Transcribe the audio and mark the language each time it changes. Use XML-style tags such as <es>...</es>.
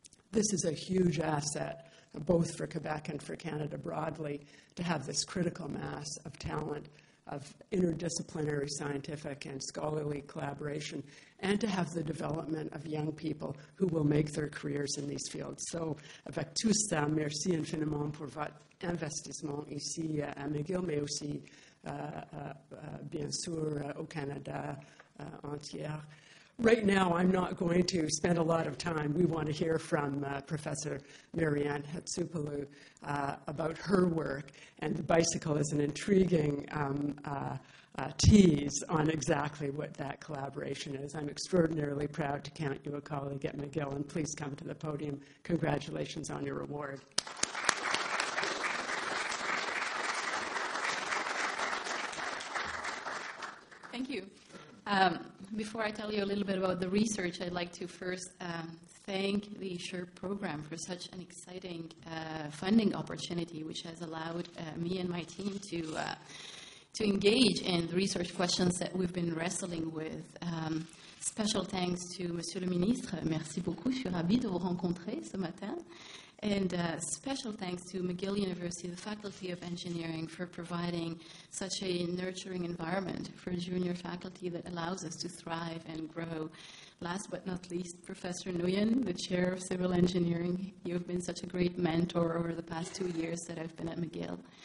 <en>This is a huge asset, both for Quebec and for Canada broadly, to have this critical mass of talent, of interdisciplinary scientific and scholarly collaboration, and to have the development of young people who will make their careers in these fields.</en> <fr>So, avec tout ça, merci infiniment pour votre investissement ici à McGill, mais aussi, bien sûr, au Canada entier.</fr> <en>Right now, I'm not going to spend a lot of time. We want to hear from Professor Marianne Hatzopoulou about her work, and the bicycle is an intriguing tease on exactly what that collaboration is. I'm extraordinarily proud to count you a colleague at McGill, and please come to the podium. Congratulations on your award. Thank you. Before I tell you a little bit about the research, I'd like to first thank the SHRP program for such an exciting funding opportunity, which has allowed me and my team to engage in the research questions that we've been wrestling with. Special thanks to Monsieur le Ministre.</en> <fr>Merci beaucoup. Je suis ravie de vous rencontrer ce matin.</fr> <en>And special thanks to McGill University, the Faculty of Engineering, for providing such a nurturing environment for junior faculty that allows us to thrive and grow. Last but not least, Professor Nguyen, the Chair of Civil Engineering. You've been such a great mentor over the past 2 years that I've been at McGill.</en>